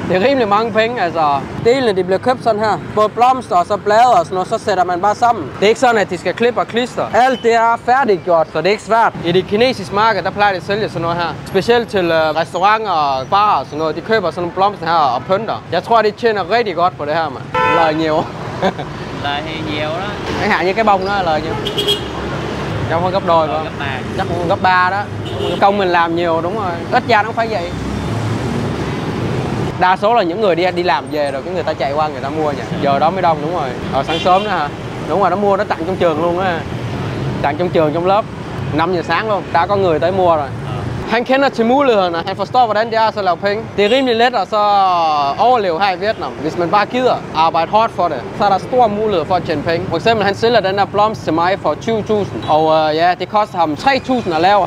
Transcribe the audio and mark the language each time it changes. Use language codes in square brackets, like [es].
[da] Det er rimelig mange penge, altså. Delene, de bliver købt sådan her. Både blomster og så blade og sådan noget, så sætter man bare sammen. Det er ikke sådan, at de skal klippe og klister. Alt det er færdiggjort, så det er ikke svært. I det kinesiske marked, der plejer de at sælge sådan noget her. Specielt til restauranter og barer og sådan noget. De køber sådan nogle blomster her og pynter. Jeg tror, de tjener rigtig godt på det her, mand. [vi] Lời nhiều. Lời thì nhiều đó. Cái hạn như cái bông đó là lời nhiều. Trong hơn gấp đôi không? Gấp 3. Chắc cũng gấp 3 đó. Công mình làm nhiều đúng rồi. Ít da nó phải vậy. Đa số là những người đi làm về rồi cái người ta chạy qua người ta mua nhỉ. Giờ đó mới đông đúng rồi. Ở sáng sớm đó hả? Đúng rồi, nó mua nó tặng trong trường luôn á. Tặng trong trường trong lớp. 5 giờ sáng luôn. Đã có người tới mua rồi. [da] Han kender til mulighederne. Han forstår, hvordan det er at lave penge. Det er rimelig let at så overleve her i Vietnam. Hvis man bare gider arbejde hårdt for det, så er der store muligheder for at tjene penge. For eksempel, han sælger den der blomst til mig for 20.000. Og ja, det koster ham 3.000 at lave.